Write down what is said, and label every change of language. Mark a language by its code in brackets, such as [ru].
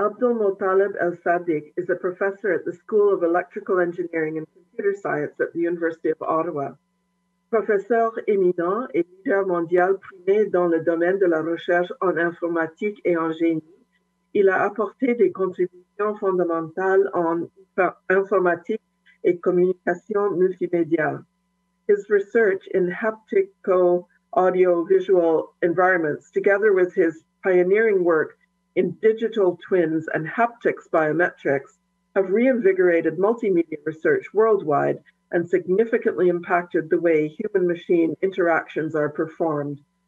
[en] Abdul Motalib El Sadiq is a professor at the School of Electrical Engineering and Computer Science at the University of Ottawa. [fr] Professeur éminent et leader mondial primé dans le domaine de la recherche en informatique et en génie, il a apporté des contributions fondamentales en informatique et communication multimédia. [en] His research in haptico audiovisual environments, together with his pioneering work in digital twins and haptics biometrics, have reinvigorated multimedia research worldwide and significantly impacted the way human-machine interactions are performed.